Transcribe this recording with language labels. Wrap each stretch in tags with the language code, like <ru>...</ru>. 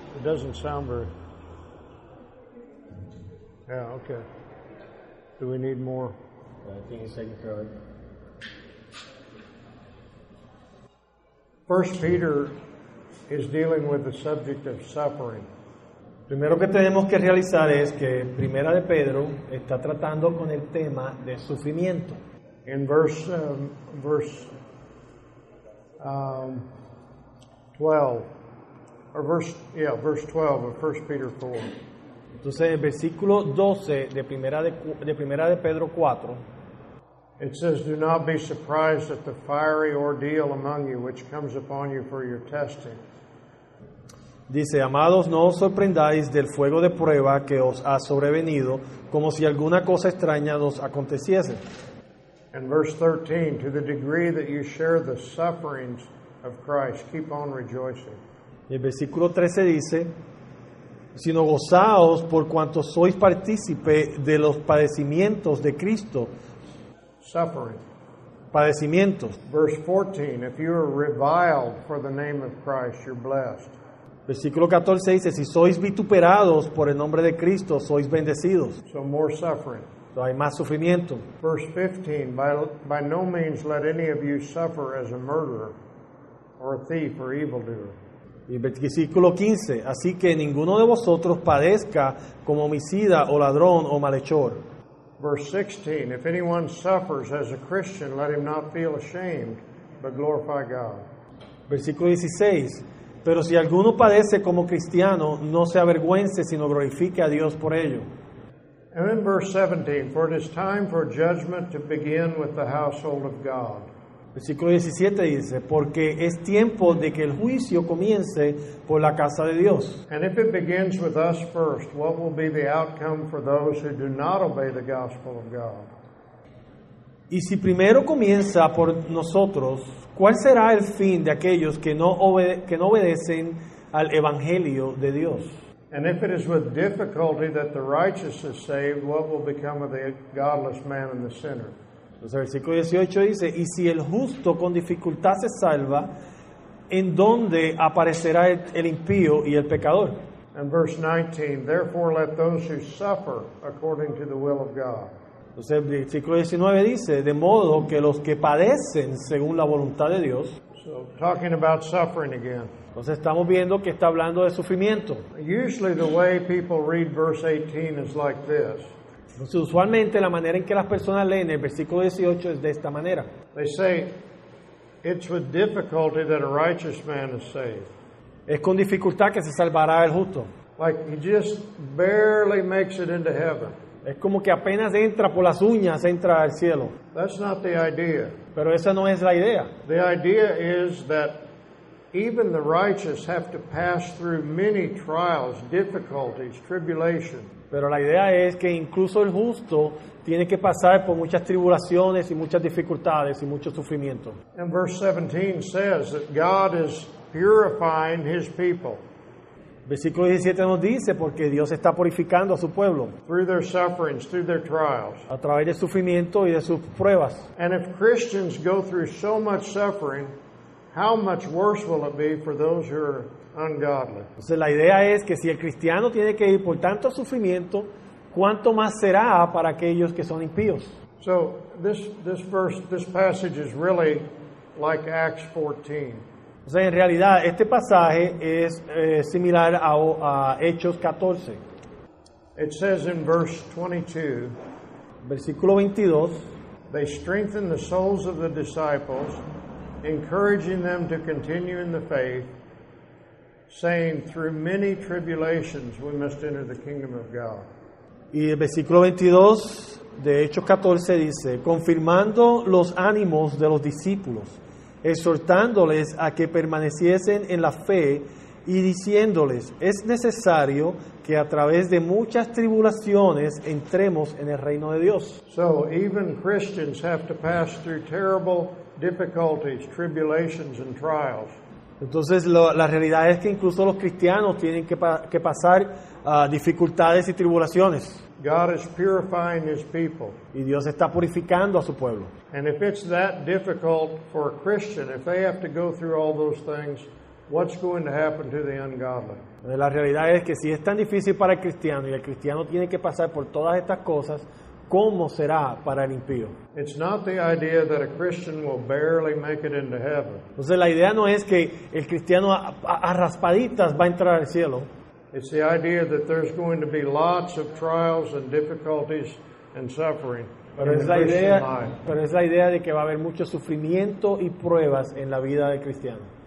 <en>It doesn't sound very. Yeah, okay. Do we need more? I think he's taking care of it. 1 Peter is dealing with the subject of suffering.</en> <es>Primero que tenemos que realizar es que Primera de Pedro está tratando con el tema de sufrimiento.</es> <en>In verse 12 of 1 Peter 4.</en> <es>Entonces, el versículo 12 de primera de Pedro 4.</es> <en>It says, "Do not be surprised at the fiery ordeal among you, which comes upon you for your testing."</en> <es>Dice, amados, no os sorprendáis del fuego de prueba que os ha sobrevenido, como si alguna cosa extraña os aconteciese.</es> <en>And verse 13, to the degree that you share the sufferings of Christ, keep on rejoicing.</en> <es>Y el versículo 13 dice, sino gozaos por cuanto sois partícipe de los padecimientos de Cristo.</es> <en>Suffering.</en> <es>Padecimientos.</es> <en>Verse 14, if you are reviled for the name of Christ, you're blessed.</en> <es>Versículo 14 dice, si sois vituperados por el nombre de Cristo, sois bendecidos.</es> <en>So more suffering.</en> <es>So hay más sufrimiento.</es> <en>Verse 15, by no means let any of you suffer as a murderer or a thief or evildoer.</en> <es>Y versículo 15, así que ninguno de vosotros padezca como homicida o ladrón o malhechor.</es> <en>Verse 16, if anyone suffers as a Christian, let him not feel ashamed, but glorify God.</en> <es>Versículo 16, pero si alguno padece como cristiano, no se avergüence, sino glorifique a Dios por ello.</es> <en>And in verse 17, for it is time for judgment to begin with the household of God.</en> <es>Versículo 17 dice, porque es tiempo de que el juicio comience por la casa de Dios.</es> <en>And if it begins with us first, what will be the outcome for those who do not obey the gospel of God?</en> <es>Y si primero comienza por nosotros, ¿cuál será el fin de aquellos que no obedecen al evangelio de Dios?</es> <en>And if it is with difficulty that the righteous is saved, what will become of the godless man and the sinner?</en> <es>Entonces, versículo 18 dice, y si el justo con dificultad se salva, ¿en dónde aparecerá el impío y el pecador?</es> <en>And verse 19, therefore let those who suffer according to the will of God.</en> <es>Entonces, versículo 19 dice, de modo que los que padecen según la voluntad de Dios.</es> <en>So, talking about suffering again.</en> <es>Entonces estamos viendo que está hablando de sufrimiento.</es> <en>Usually the way people read verse 18 is like this.</en> <es>Entonces, usualmente la manera en que las personas leen el versículo 18 es de esta manera.</es> <en>They say, it's with difficulty that a righteous man is saved.</en> <es>Es con dificultad que se salvará el justo.</es> <en>Like he just barely makes it into heaven.</en> <es>Es como que apenas entra por las uñas, entra al cielo.</es> <en>That's not the idea.</en> <es>Pero esa no es la idea.</es> <en>The idea is that even the righteous have to pass through many trials, difficulties, tribulation.</en> <es>Pero la idea es que incluso el justo tiene que pasar por muchas tribulaciones y muchas dificultades y mucho sufrimiento.</es> <en>And verse 17 says that God is purifying his people.</en> <es>Versículo 17 nos dice porque Dios está purificando a su pueblo.</es> <en>Through their sufferings, through their trials.</en> <es>A través de sufrimiento y de sus pruebas.</es> <en>And if Christians go through so much suffering, how much worse will it be for those who are ungodly?</en> <es>Entonces la idea es que si el cristiano tiene que ir por tanto sufrimiento, ¿cuánto más será para aquellos que son impíos?</es> <en>So this passage is really like Acts 14.</en> <es>O sea, en realidad este pasaje es similar a Hechos 14.</es> <en>It says in verse 22.</en> <es>Versículo 22.</es> <en>They strengthen the souls of the disciples, encouraging them to continue in the faith, saying, through many tribulations we must enter the kingdom of God.</en> <es>Y el versículo 22 de Hechos 14 dice, confirmando los ánimos de los discípulos, exhortándoles a que permaneciesen en la fe y diciéndoles, es necesario que a través de muchas tribulaciones entremos en el reino de Dios.</es> <en>So, even Christians have to pass through terrible difficulties, tribulations and trials.</en> <es>Entonces, la realidad es que incluso los cristianos tienen que pasar dificultades y tribulaciones.</es> <en>God is purifying his people.</en> <es>Y Dios está purificando a su pueblo.</es> <en>And if it's that difficult for a Christian, if they have to go through all those things, what's going to happen to the ungodly?</en> <es>La realidad es que si es tan difícil para el cristiano y el cristiano tiene que pasar por todas estas cosas, ¿cómo será para el impío?</es> <en>It's not the idea that a Christian will barely make it into heaven.</en> <es>Entonces la idea no es que el cristiano a raspaditas va a entrar al cielo.</es> <en>It's the idea that there's going to be lots of trials and difficulties and suffering.</en> <es>Pero es la idea de que va a haber mucho sufrimiento y pruebas en la vida del cristiano.</es>